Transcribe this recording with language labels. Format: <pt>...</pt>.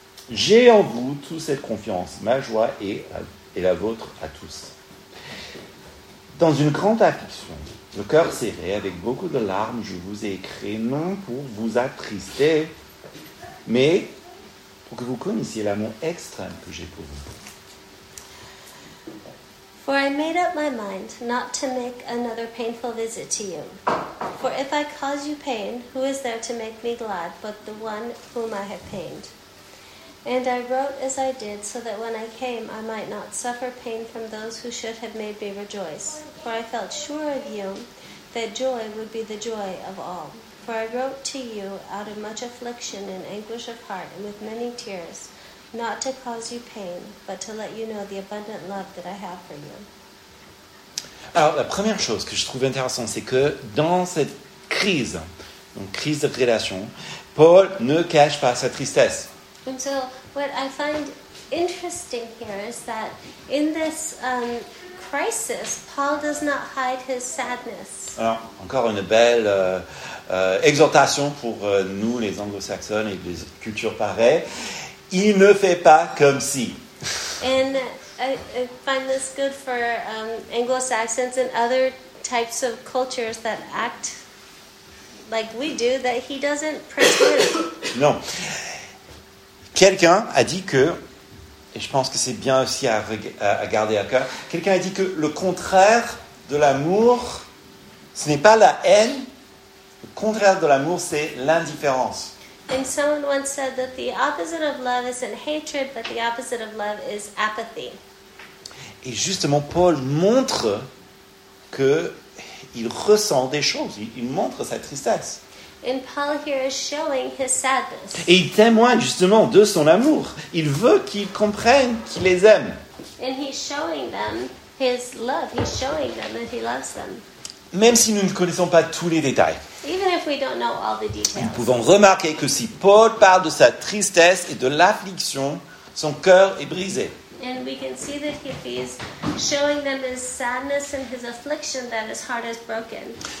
<fr>J'ai en vous toute cette confiance, ma joie et la vôtre à tous. Dans une grande affliction, le cœur serré, avec beaucoup de larmes, je vous ai écrit non pour vous attrister, mais pour que vous connaissiez l'amour extrême que j'ai pour vous.</fr> <en>For I made up my mind not to make another painful visit to you. For if I cause you pain, who is there to make me glad but the one whom I have pained? And I wrote as I did, so that when I came, I might not suffer pain from those who should have made me rejoice. For I felt sure of you that joy would be the joy of all. For I wrote to you out of much affliction and anguish of heart and with many tears, not to cause you pain, but to let you know the abundant love that I have for you.</en> <fr>Alors, la première chose que je trouve intéressante, c'est que dans cette crise, donc crise de relation, Paul ne cache pas sa tristesse.</fr> <en>And so, what I find interesting here is that in this crisis, Paul does not hide his sadness.</en> <fr>Alors, encore une belle exhortation pour nous, les anglo-saxons et les cultures pareilles. Il ne fait pas comme si.</fr> <en>And I find this good for Anglo-Saxons and other types of cultures that act like we do, that he doesn't pretend.</en> <fr>Non. Quelqu'un a dit que, et je pense que c'est bien aussi à garder à cœur, quelqu'un a dit que le contraire de l'amour, ce n'est pas la haine, le contraire de l'amour, c'est l'indifférence.</fr> <en>And someone once said that the opposite of love isn't hatred, but the opposite of love is apathy.</en> <fr>Et justement, Paul montre qu'il ressent des choses, il montre sa tristesse.</fr> <en>And Paul here is showing his sadness.</en> <fr>Et il témoigne justement de son amour. Il veut qu'ils comprennent qu'il les aime.</fr> <en>And he's showing them his love. He's showing them that he loves them.</en> <fr>Même si nous ne connaissons pas tous les détails.</fr> <en>Even if we don't know all the details.</en> <fr>Nous pouvons remarquer que si Paul parle de sa tristesse et de l'affliction, son cœur est brisé.</fr> <en>And we can see that if he's showing them his sadness and his affliction, that his heart is broken.</en>